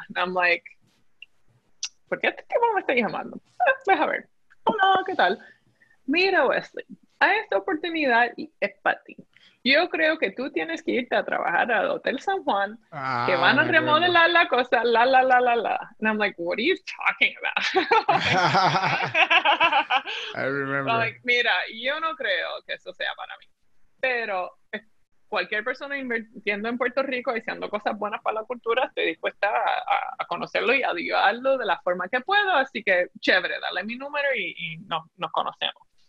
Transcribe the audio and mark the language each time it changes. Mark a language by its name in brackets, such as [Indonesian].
[English] And I'm like, [Spanish] ¿por qué este tipo me está llamando? Pues a ver. Hola, ¿qué tal? Mira, Wesley, hay esta oportunidad y es para ti. Yo creo que tú tienes que irte a trabajar al Hotel San Juan, que van a remodelar la cosa, la. [English] And I'm like, what are you talking about? I remember. I'm like, [Spanish] mira, yo no creo que eso sea para mí. Pero cualquier persona invirtiendo en Puerto Rico y haciendo cosas buenas para la cultura, estoy dispuesta a conocerlo y ayudarlo de la forma que puedo. Así que, chévere, dale mi número y nos conocemos.